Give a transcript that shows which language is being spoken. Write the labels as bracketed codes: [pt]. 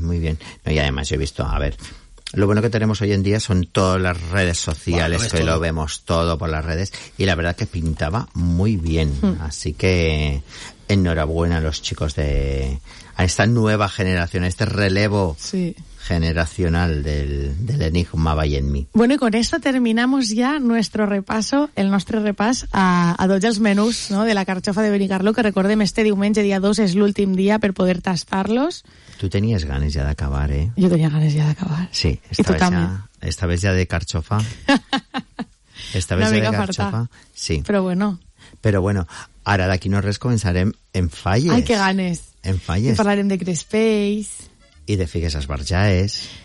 [es] No, y además yo he visto, a ver... Lo bueno que tenemos hoy en día son todas las redes sociales, bueno, lo vemos todo por las redes, y la verdad que pintaba muy bien. Así que enhorabuena a los chicos a esta nueva generación, a este relevo generacional del Enigma by Enmi. Bueno, y con esto terminamos ya [ca] el nostre repàs a tots els menús, ¿no?, de la carxofa de Benicarló, que recordem este diumenge, dia 2, és l'últim dia per poder tastar-los. Tu tenies ganes ja d'acabar, eh? Jo tenia ganes ja d'acabar. [es] Sí, esta vez ya de carxofa. Esta vez ya de carxofa, sí. [ca] Però bueno, ara d'aquí no res començarem en falles. Ai, que ganes. En falles. I parlarem de crespeis. I de figues esbarjaes.